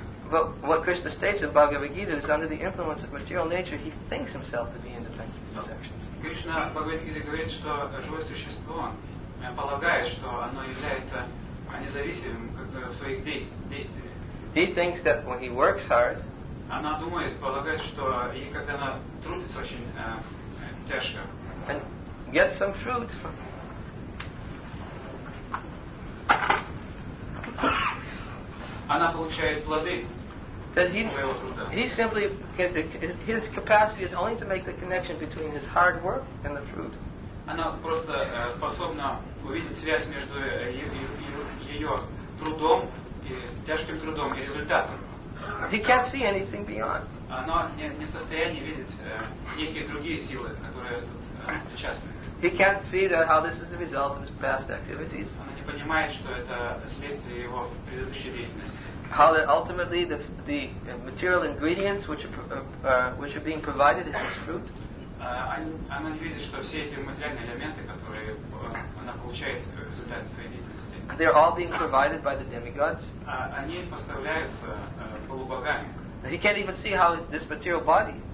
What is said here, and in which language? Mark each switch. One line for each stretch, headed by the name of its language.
English: But what Krishna states in Bhagavad Gita is under the influence of material nature, he thinks himself to be independent of his actions.
Russian: Krishna в Бхагавад Гите говорит, что живое существо полагает, что оно является независимым в своих действиях.
English: He thinks that when he works hard,
Russian: она думает, полагает, что и когда она трудится очень тяжко,
English: and gets some fruit.
Russian: Она получает плоды.
English: That he simply, his capacity is only to make the connection between his hard work and the fruit.
Russian: Она просто способна увидеть связь между ее трудом и тяжким трудом и результатом.
English: He can't see anything beyond.
Russian: Она не в состоянии видеть некие другие силы, которые причастны.
English: He can't see that how this is the result of his past activities.
Russian: Она не понимает, что это следствие его предыдущей деятельности.
English: How that ultimately the material ingredients which are being provided is his fruit.
Russian: Она не видит, что все эти материальные элементы, которые она получает в результате своей деятельности.
English: They are all being provided by the demigods.
Russian: Они поставляются полубогами.
English: He can't even see how this material body.